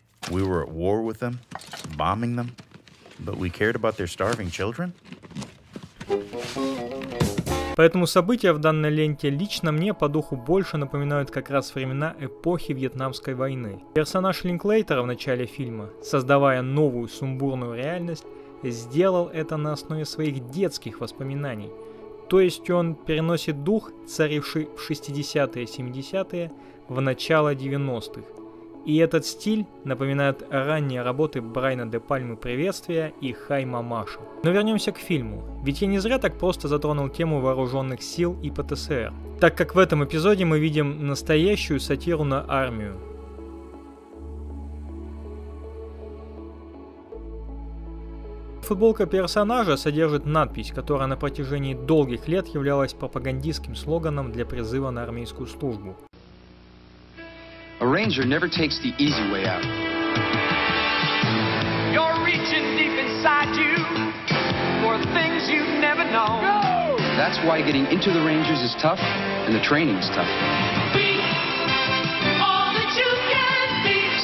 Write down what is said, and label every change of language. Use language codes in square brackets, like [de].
[en] We were at war with them, bombing them, but we cared about their starving children. [ru] Поэтому события в данной ленте лично мне по духу больше напоминают как раз времена эпохи Вьетнамской войны. Персонаж Линклейтера в начале фильма, создавая новую сумбурную реальность, сделал это на основе своих детских воспоминаний. То есть он переносит дух, царивший в 60-е и 70-е, в начало 90-х. И этот стиль напоминает ранние работы Брайана де Пальмы «Приветствия» и «Хай, мамаша». Но вернемся к фильму. Ведь я не зря так просто затронул тему вооруженных сил и ПТСР. Так как в этом эпизоде мы видим настоящую сатиру на армию. футболка персонажа содержит надпись, которая на протяжении долгих лет являлась пропагандистским слоганом для призыва на армейскую службу. [en] A ranger never takes the easy way out. You're reaching deep inside you for things you've never known. Go! That's why getting into the Rangers is tough and the training is tough. Be all that you can be.